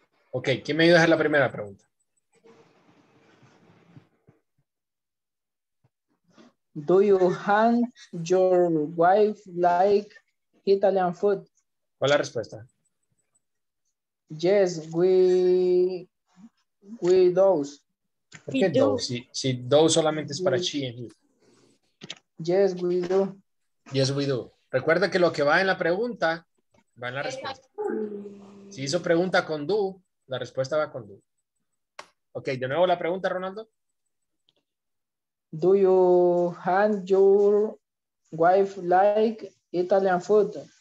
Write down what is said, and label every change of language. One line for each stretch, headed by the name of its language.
Spanish: Ok, ¿quién me ayuda a hacer la primera pregunta?
English: Do you hunt your wife like Italian food?
Spanish: ¿Cuál es la respuesta?
English: Yes, we do.
Spanish: ¿Por qué do? Si do solamente es para she and he.
English: Yes, we do. Yes, we do.
Spanish: Recuerda que lo que va en la pregunta va en la respuesta. Si hizo pregunta con do, la respuesta va con do. Ok, de nuevo la pregunta, Ronaldo.
English: Do you hunt your wife like Italian food?